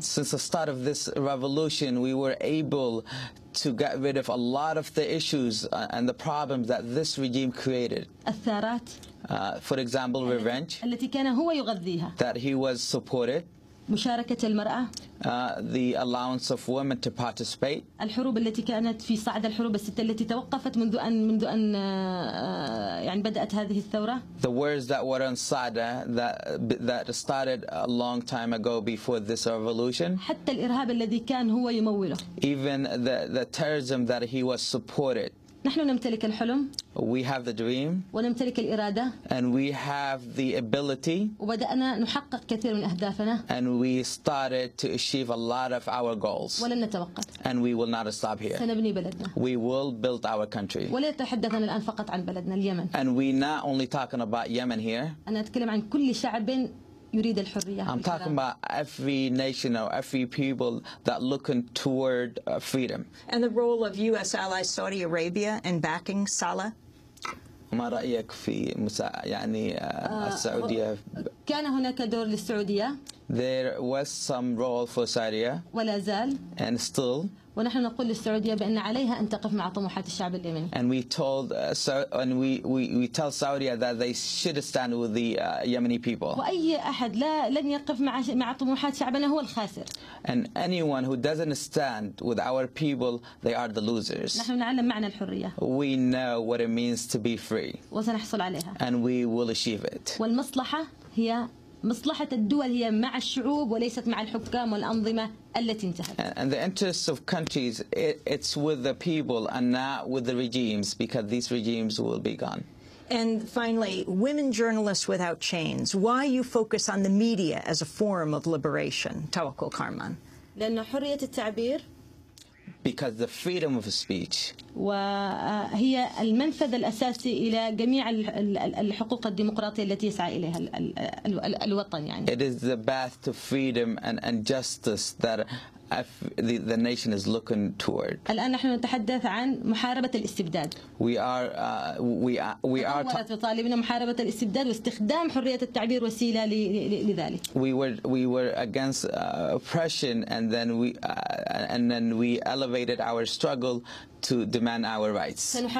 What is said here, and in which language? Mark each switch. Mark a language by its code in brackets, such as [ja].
[en] Since the start of this revolution, we were able to get rid of a lot of the issues and the problems that this regime created. [ar] الثارات. [en] For example, revenge. [ar] التي كان هو يغذيها. [en] That he was supported. [ar] مشاركة المرأة. [en] The allowance of women to participate. [ar] الحروب التي كانت في صعد الحروب الستة التي توقفت منذ أن يعني بدأت هذه الثورة. [en] The wars that were in Sada that started a long time ago before this revolution. [ar] حتى الإرهاب الذي كان هو يموله. [en] Even the terrorism that he was supported. [ar] نحن نمتلك الحلم. [en] We have the dream. [ar] ونمتلك الإرادة. [en] And we have the ability. [ar] وبدأنا نحقق كثير من أهدافنا. [en] And we started to achieve a lot of our goals. [ar] ولن نتوقف. [en] And we will not stop here. [ar] سنبني بلدنا. [en] We will build our country. [ar] ولا يتحدثنا الآن فقط عن بلدنا اليمن. [en] And we not only talking about Yemen here. [ar] أنا أتكلم عن كل شعب يريد الحرية. [en] I'm talking about every nation or every people that looking toward freedom. And the role of U.S. ally Saudi Arabia in backing Saleh. [ar] ما رأيك في يعني السعودية؟ كان هناك دور للسعودية. [en] There was some role for Saudi. [ar] ولا زال. [en] And still. [ar] ونحن نقول للسعودية بأن عليها أن تقف مع طموحات الشعب اليمني. [en] And we tell Saudi that they should stand with the Yemeni people. [ar] وأي أحد لن يقف مع طموحات شعبنا هو الخاسر. [en] And anyone who doesn't stand with our people, they are the losers. [ar] نحن نعلم معنى الحرية. [en] We know what it means to be free. [ar] وسنحصل عليها. [en] And we will achieve it. [ar] والمصلحة هي مصلحة الدول هي مع الشعوب وليست مع الحكام والأنظمة التي انتهت. [en] And the interests of countries, it's with the people and not with the regimes, because these regimes will be gone. And finally, women journalists without chains. Why you focus on the media as a form of liberation, Tawakkul Karman? [ar] لأن حرية التعبير. [en] Because the freedom of speech. [ar] وهي المنفذ الأساسي إلى جميع الحقوق الديمقراطية التي يسعى إليها الوطن يعني. [en] It is the path to freedom and justice that the nation is looking toward. [ar] الآن نحن نتحدث عن محاربة الاستبداد. [en] We are. [ar] وطالبنا محاربة الاستبداد واستخدام حرية التعبير وسيلة لذلك. [en] We were against oppression and then we elevated our struggle to demand our rights.